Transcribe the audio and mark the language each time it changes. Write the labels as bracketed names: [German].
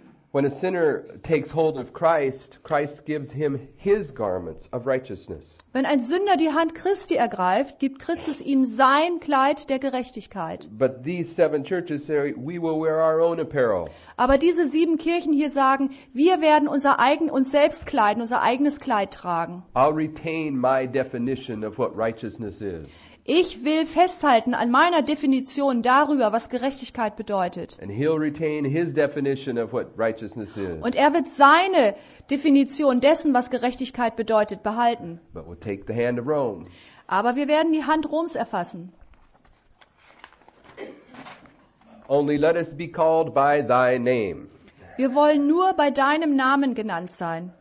[English] When a sinner takes hold of Christ, Christ gives him his garments of righteousness. [German] Wenn ein Sünder die Hand Christi ergreift, gibt Christus ihm sein Kleid der Gerechtigkeit. [English] But these seven churches say, we will wear our own apparel. [German] Aber diese sieben Kirchen hier sagen, wir werden unser eigenes Kleid tragen. [English] I'll retain my definition of what righteousness is. [German] Ich will festhalten an meiner Definition darüber, was Gerechtigkeit bedeutet. [English] And he'll retain his definition of what righteousness is. [German] Und er wird seine Definition dessen, was Gerechtigkeit bedeutet, behalten. [English] But we'll take the hand of Rome. [German] Aber wir werden die Hand Roms erfassen. [English] Only let us be called by thy name. [German] Wir wollen nur bei deinem Namen genannt sein.